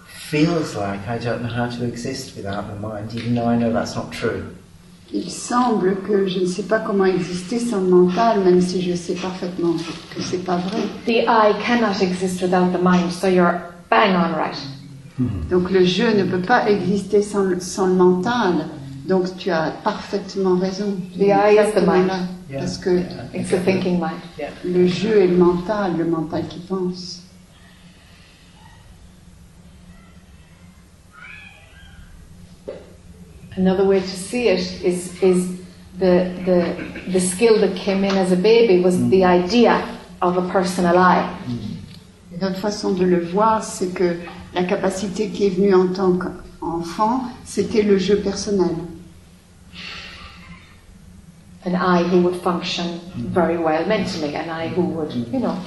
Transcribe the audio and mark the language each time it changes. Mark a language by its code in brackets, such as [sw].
[en] Feels like I don't know how to exist without the mind, even though I know that's not true. [fr] Il semble que je ne sais pas comment exister sans le mental, même si je sais parfaitement que c'est pas vrai. [en] The I cannot exist without the mind, so you're bang on right. [fr] Donc le je ne peut pas exister sans le mental, donc tu as parfaitement raison. [en] The I is the mind, yeah. [fr] Parce que yeah. [en] It's the thinking mind. Yeah. [fr] Le je est le mental qui pense. [en] Another way to see it is the skill that came in as a baby was the idea of a personal I. [fr] Une autre façon de le voir, c'est que la capacité qui est venue en tant qu'enfant, c'était le jeu personnel. [en] An I who would function very well mentally, an I who would, you know.